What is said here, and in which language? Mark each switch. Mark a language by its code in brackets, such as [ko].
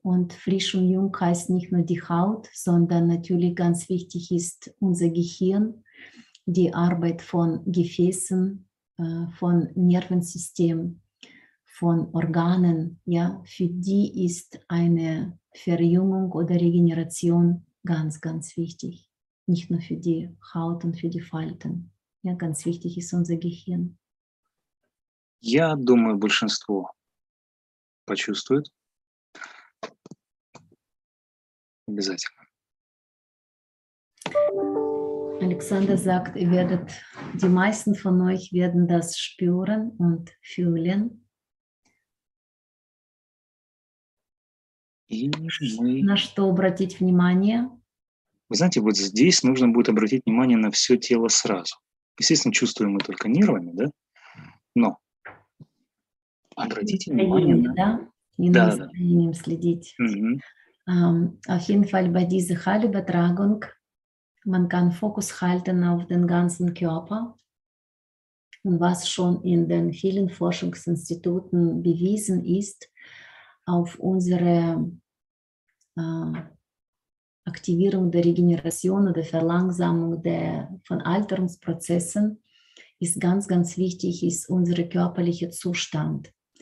[de] Und frisch und jung heißt nicht nur die Haut, sondern natürlich ganz wichtig ist unser Gehirn, die Arbeit von Gefäßen, von Nervensystem, von Organen. Ja, für die ist eine Verjüngung oder Regeneration ganz, ganz wichtig. Nicht nur für die Haut und für die Falten. Ja, ganz wichtig ist unser Gehirn. [ru] Я думаю, большинство почувствует. Обязательно. [de] Alexander sagt, ihr werdet, die meisten von euch werden das spüren und fühlen. [ru] На что обратить внимание? Вы знаете, вот здесь нужно будет обратить внимание на все тело сразу. Естественно, чувствуем мы только нервами, да? Но обратите внимание на... Да? И на состоянием следить. [de] Auf jeden Fall bei dieser Heilübertragung, man kann Fokus halten auf den ganzen Körper. Und was schon in den vielen Forschungsinstituten bewiesen ist, auf unsere Aktivierung der Regeneration oder Verlangsamung von Alterungsprozessen ist ganz, ganz wichtig, ist unser körperlicher Zustand.